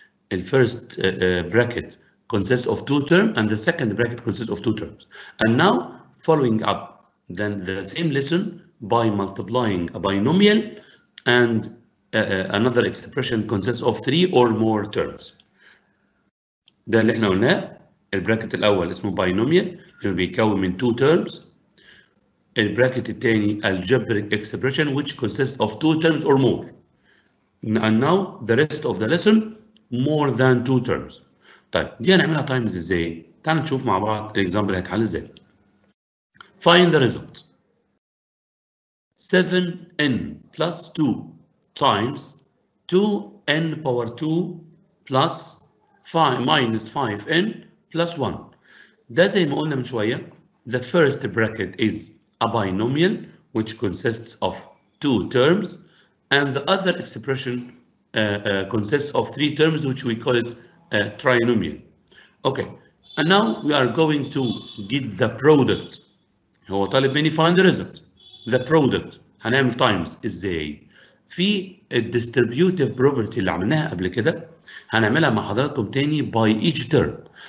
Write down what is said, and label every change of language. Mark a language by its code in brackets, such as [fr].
[en] In first bracket consists of two terms, and the second bracket consists of two terms. And now, following up then the same lesson by multiplying a binomial and another expression consists of three or more terms. [ar] ده اللي احنا قلناه. البراكت الأول اسمه binomial اللي بيكون من [en] two terms. [ar] البراكت الثاني [en] algebraic expression which consists of two terms or more. And now, the rest of the lesson more than two terms. [ar] طيب دي هنعملها تايمز ازاي؟ تعال نشوف مع بعض الاكزامبل هيتحل ازاي. [en] Find the result. 7n plus 2 times 2n power 2 plus 5 minus 5n plus 1. [ar] ده زي ما قلنا من شويه. [en] The first bracket is a binomial which consists of two terms, and the other expression consists of three terms which we call it trinomial. Okay, and now we are going to get the product. [ar] هو طالب مني [en] find the result. The product [ar] هنعمل times ازاي؟ في الديستريبيوتيف بروبرتي اللي عملناها قبل كده هنعملها مع حضراتكم تاني [en] by each term.